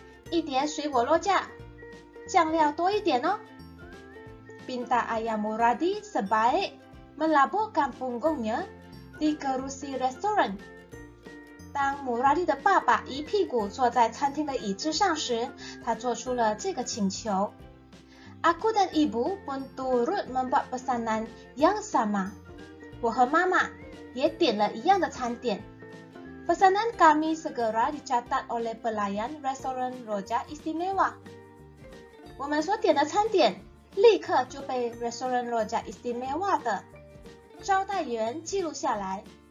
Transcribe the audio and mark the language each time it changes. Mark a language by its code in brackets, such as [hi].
[zh] 一碟水果 rojak, 酱料多一点哦. [ms] Pinta ayam muradi sebaik melaburkan punggungnya di kerusi restoran. [zh] 当muradi的爸爸一屁股坐在餐厅的椅子上时, 他做出了这个请求. [ms] Aku dan ibu pun turut membuat pesanan yang sama. [zh] 我和妈妈也点了一样的餐点. [ms] Pesanan kami segera dicatat oleh pelayan restoran Rojak Istimewa. [zh] 我们所点的餐点立刻就被 restoran Rojak Istimewa 的招待员记录下来。